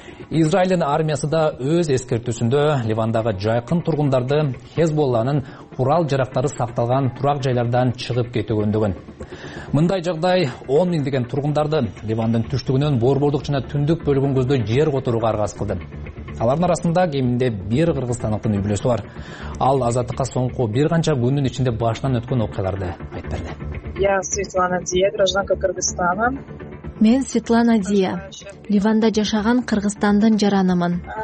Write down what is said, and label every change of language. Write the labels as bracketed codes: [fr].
[ky] Израилдин армиясы да өз эскертүүсүндө Ливандагы жайкын тургундарды Хезболланын курал жарактары сакталган турак жайлардан чыгып кетүүгөндөгөн. Мындай жагдай 10 миңдеген тургундарды Ливандын түштүгүнөн борбордук жана түндүк бөлүгүн көздөй жер которууга аргасыз кылды. Алардын арасында кеминде бир кыргызстандыктын үй-бүлөсү бар. Ал азаттыкка соңку бир канча күндүн ичинде башынан өткөн окуяларды айтып берди. [ru] Я Светлана Дия, гражданка Кыргызстана. [ky] Мен Светлана Дия, Ливанда жашаган кыргызстандын жаранымын.